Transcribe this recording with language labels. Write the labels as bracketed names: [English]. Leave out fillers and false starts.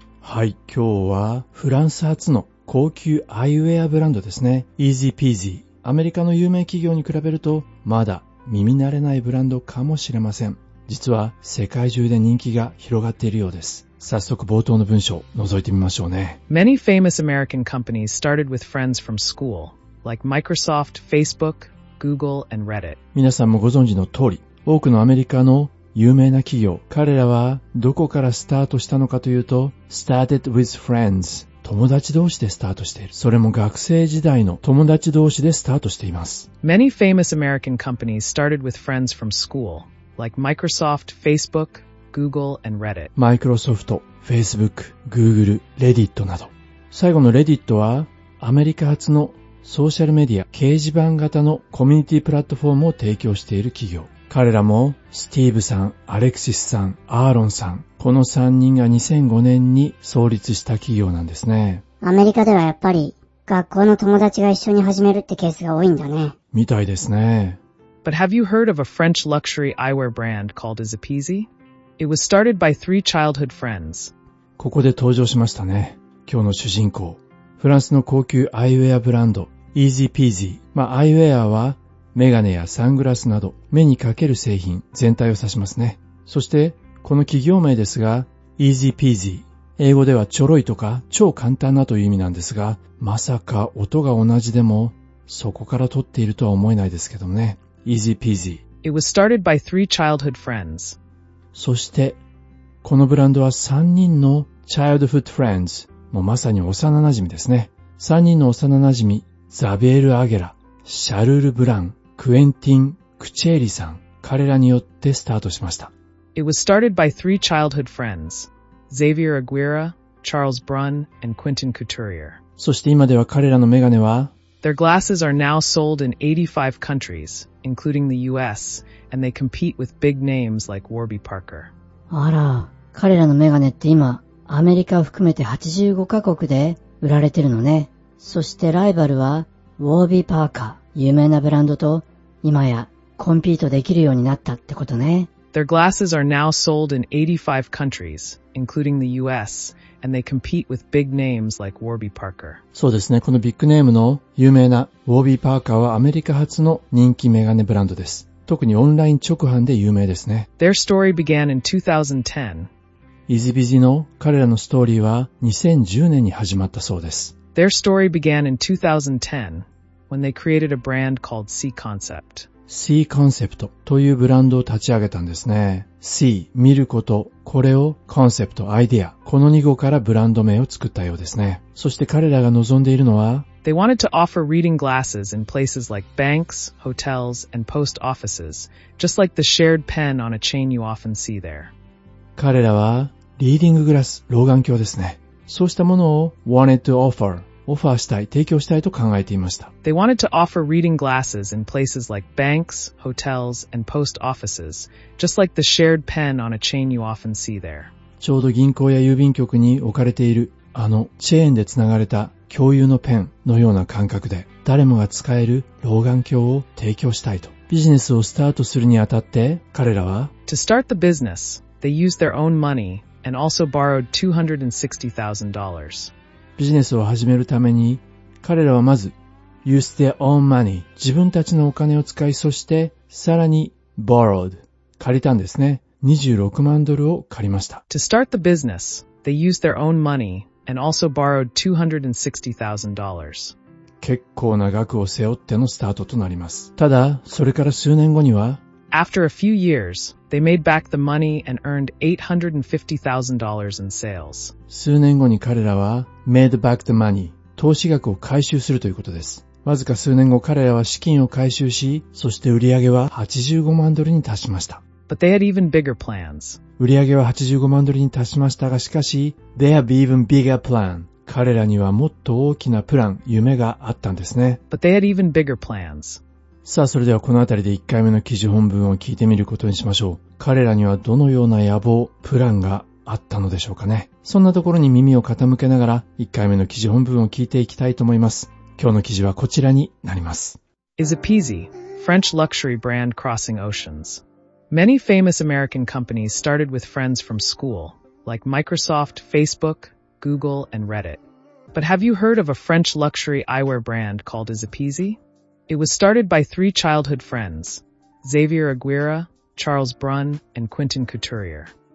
[Japanese] はい、今日はフランス発の高級アイウェアブランドですね、 Easy Peasy、 アメリカの有名企業に比べるとまだ耳慣れないブランドかもしれません。実は世界中で人気が広がっているようです。早速冒頭の文章を覗いてみましょうね。 [English] Many famous American companies started with friends from school, like Microsoft, Facebook, Google, and Reddit. [Japanese] 皆さんもご存知の通り、多くのアメリカの有名な企業、彼らはどこからスタートしたのかというと、 [English] started with friends、 [Japanese] 友達同士でスタートしている。それも学生時代の友達同士でスタートしています。 [English] Many famous American companies started with friends from school, like Microsoft, Facebook,Google and Reddit. [Japanese] Microsoft, Facebook, Google, Reddit など。最後の Reddit はアメリカ発のソーシャルメディア、掲示板型のコミュニティプラットフォームを提供している企業。彼らもスティーブさん、アレクシスさん、アーロンさん、この3人が2005年に創立した企業なんですね。アメリカではやっぱり学校の友達が一緒に始めるってケースが多いんだね。みたいですね。 [English] But have you heard of a French luxury eyewear brand called Zapeasy? It was started by three childhood friends. [Japanese] ここで登場しましたね。今日の主人公。フランスの高級アイウェアブランド、Easy Peasy。まあ、アイウェアは、メガネやサングラスなど、目にかける製品全体を指しますね。そして、この企業名ですが、Easy Peasy。英語ではちょろいとか、超簡単なという意味なんですが、まさか音が同じでも、そこから取っているとは思えないですけどね。 Easy Peasy。 [English] It was started by three childhood friends. [Japanese] そして、このブランドは3人の [English] childhood friends、 [Japanese] もうまさに幼馴染ですね。 3人の幼馴染、ザビエル・アゲラ、シャルル・ブラン、クエンティン・クチェーリさん、彼らによってスタートしました。 [English] It was started by three childhood friends, Xavier Aguirre, Charles Brun, and Quentin Couturier. [Japanese] そして今では彼らのメガネは、 [English] Their glasses are now sold in 85 countries, including the US, and they compete with big names like Warby Parker. [Japanese] あら、彼らのメガネって今、アメリカを含めて85カ国で売られてるのね。そしてライバルは、Warby Parker、有名なブランドと今やコンピートできるようになったってことね。 [English] Their glasses are now sold in 85 countries, including the US. And they compete with big names like Warby Parker. [Japanese] そうですね。このビッグネームの有名な Warby Parker はアメリカ発の人気メガネブランドです。特にオンライン直販で有名ですね。 [English] Their story began in 2010. [Japanese] Easy Peasy の彼らのストーリーは2010年に始まったそうです。 [English] Their story began in 2010 when they created a brand called C Concept. [Japanese] C Concept というブランドを立ち上げたんですね。 C、見ること、これをコンセプト、アイデア、この2語からブランド名を作ったようですね。そして彼らが望んでいるのは、 [English] They wanted to offer reading glasses in places like banks, hotels, and post offices, just like the shared pen on a chain you often see there. [Japanese] 彼らは、リーディンググラス、老眼鏡ですね。そうしたものを [English] wanted to offer、 [Japanese] オファーしたい、提供したいと考えていました。 [English] They wanted to offer reading glasses in places like banks, hotels, and post offices, just like the shared pen on a chain you often see there. [Japanese] ちょうど銀行や郵便局に置かれているあのチェーンでつながれた共有のペンのような感覚で誰もが使える老眼鏡を提供したいと。ビジネスをスタートするにあたって彼らは [English] To start the business, they used their own money and also borrowed $260,000. [Japanese] ビジネスを始めるために彼らはまず [English] used their own money、 [Japanese] 自分たちのお金を使い、そしてさらに borrowed、 借りたんですね。 26万ドルを借りました。 [English] To start the business, they used their own money and also borrowed $260,000. [Japanese] 結構な額を背負ってのスタートとなります。ただ、それから数年後には [English] After a few years, they made back the money and earned $850,000 in sales. [Japanese] 数年後に彼らは [English] made back the money、 [Japanese] 投資額を回収するということです。わずか数年後彼らは資金を回収し、そして売上は85万ドルに達しました。 [English] But they had even bigger plans. [Japanese] 売上は85万ドルに達しましたが、しかし、 [English] they have even bigger plan. [Japanese] 彼らにはもっと大きなプラン、夢があったんですね。 [English] But they had even bigger plans. [Japanese] さあ、それではこのあたりで1回目の記事本文を聞いてみることにしましょう。彼らにはどのような野望、プランがあったのでしょうかね。そんなところに耳を傾けながら、1回目の記事本文を聞いていきたいと思います。今日の記事はこちらになります。 [English] Is a Peasy, French luxury brand crossing oceans. Many famous American companies started with friends from school, like Microsoft, Facebook, Google, and Reddit. But have you heard of a French luxury eyewear brand called Izapeasy? It was started by three childhood friends, Xavier Aguirre, Charles Brun, and Quentin Couturier.